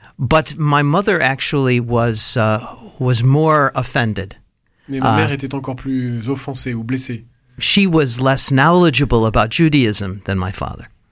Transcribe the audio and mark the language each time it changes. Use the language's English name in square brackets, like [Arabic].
[English] But my mother actually was more offended. [French] Mais ma mère était encore plus offensée ou blessée. [English] She was less knowledgeable about Judaism than my father.